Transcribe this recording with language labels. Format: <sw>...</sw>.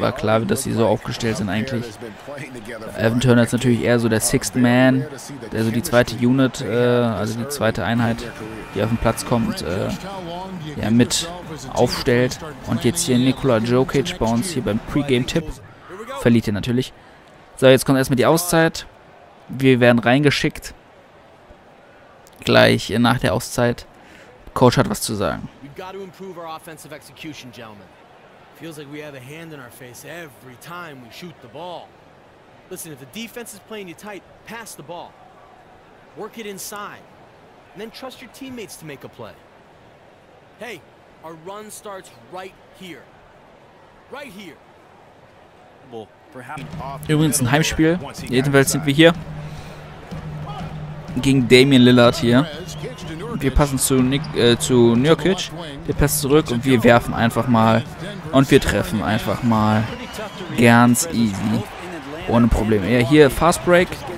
<de>War klar, dass sie so aufgestellt sind eigentlich. Evan Turner ist natürlich eher so der Sixth Man, der so die zweite Unit, also die zweite Einheit, die auf den Platz kommt, mit aufstellt. Und jetzt hier Nikola Jokic bei uns hier beim Pre-Game-Tipp. Verliert ihr natürlich. So, jetzt kommt erstmal die Auszeit. Wir werden reingeschickt. gleich nach der Auszeit. Coach hat was zu sagen.</de> <en>We've got to improve our offensive execution, gentlemen. Feels like we have a hand in our face every time we shoot the ball. Listen, if the defense is playing you tight, pass the ball. Work it inside. And then trust your teammates to make a play. Hey, our run starts right here. Right here.</en> <de>Übrigens ein Heimspiel. Jedenfalls sind wir hier. Gegen Damian Lillard hier. Wir passen zu Nurkic. Der passt zurück und wir werfen einfach mal. Und wir treffen einfach mal. Ganz easy. Ohne Probleme. Ja, hier Fast Break.</de>